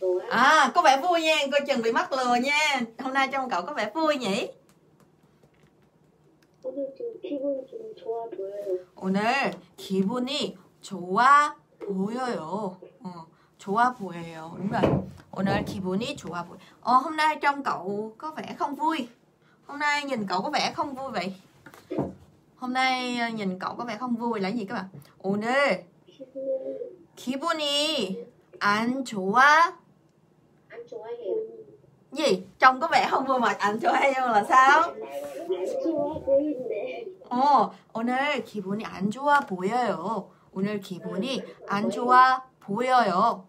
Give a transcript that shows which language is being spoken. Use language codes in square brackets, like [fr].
[vi] À có vẻ vui nha. Coi chừng bị mắc lừa nha. Hôm nay trông cậu có vẻ vui nhỉ. [ko] 오늘 기분이 좋아 보여요. 좋아 보여요. 오늘 기분이 좋아 보여. [vi] hôm nay trông cậu có vẻ không vui. Hôm nay nhìn cậu có vẻ không vui vậy. Hôm nay nhìn cậu có vẻ không vui là gì các bạn? [ko] 오늘 기분이 안 좋아. 안 좋아해요. 예, 좀 [vi] có vẻ không vui mà [ko] 안 좋아해요 [vi] là sao? [ko] 안 좋아 보이는데. 오늘 기분이 안 좋아 보여요. 오늘 기분이 안 좋아 보여요.